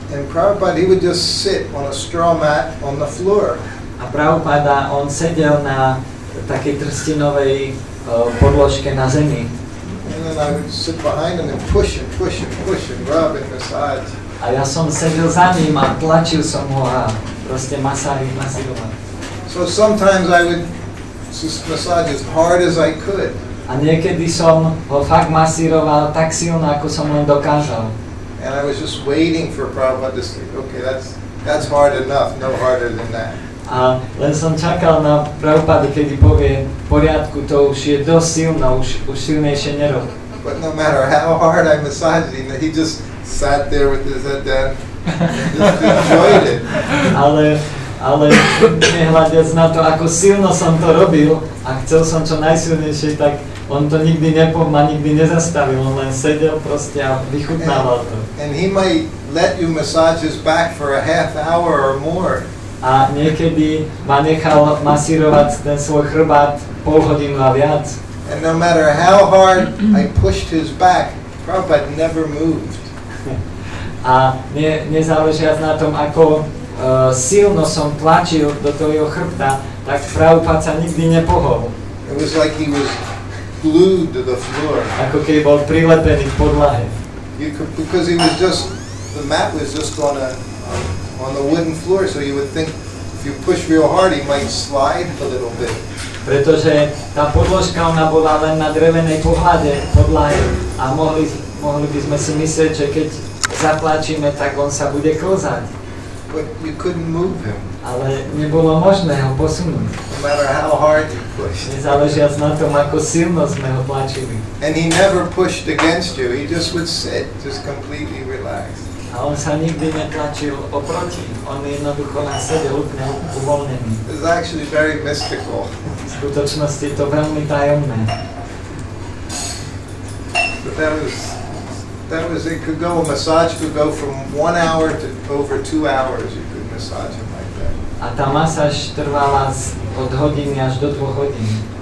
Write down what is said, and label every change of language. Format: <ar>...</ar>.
<en>And Prabhupada, he would just sit on a straw mat on the floor.</en> <sk>A Prabhupada, on sedel na takej trstinovej podložke na zemi.</sk> <en>And then I would sit behind him and push him, rub and massage.</en> <sk>A ja som sedel za ním a tlačil som ho a proste masíroval.</sk> <en>So sometimes I would just massage as hard as I could.</en> <sk>A niekedy som ho fakt masíroval tak silno, ako som len dokázal.</sk> <en>And I was just waiting for Prabhupada to say, okay, that's hard enough, no harder than that.</en> <sk>A len som čakal na Prabhupada, kedy povie, v poriadku, to už je dosť silno, už silnejšie nerob.</sk> <en>But no matter how hard I massaged him, he just sat there with his head down and just enjoyed it.</en> <sk>Ale nehľadiac na to, ako silno som to robil a chcel som čo najsilnejšie, tak on to nikdy nepomal, nikdy nezastavil, on len sedel proste a vychutnával to.</sk> <en>And he might let you massage his back for a half hour or more.</en> <sk>a niekedy ma nechal masírovať ten svoj chrbát pol hodinu a viac.</sk> <en>And no matter how hard I pushed his back, Prabhupada never moved.</en> <sk>A nezáležiac na tom, ako silno som tlačil do toho jeho chrbta, tak Prabhupada sa nikdy nepohol.</sk> <en>It was like he was glued to the floor.</en> <sk>Ako keby bol prilepený k podlahe.</sk> <en>Because he was just, the mat was just on the wooden floor, so you would think if you push real hard, he might slide a little bit.</en> <sk>Pretože tá podložka, ona bola len na drevenej pohľade, podlahe. A mohli by sme si myslieť, že keď zatlačíme, tak on sa bude klzať.</sk> <en>But you couldn't move him.</en> <sk>Ale nebolo možné ho posunúť.</sk> <en>No matter how hard you pushed.</en> <sk>Nezáležiac na tom, ako silno sme ho tlačili.</sk> <en>And he never pushed against you. He just would sit, just completely relaxed.</en> <sk>A on sa nikdy netlačil oproti. On jednoducho na sede úplne uvoľnený.</sk> <en>It's actually very mystical.</en> <sk>V skutočnosti je to veľmi tajomné.</sk> <en>But that was, it could go, a massage could go from 1 hour to over 2 hours, you could massage him like that.</en> <sk>A tá masáž trvala od hodiny až do 2 hodín.</sk>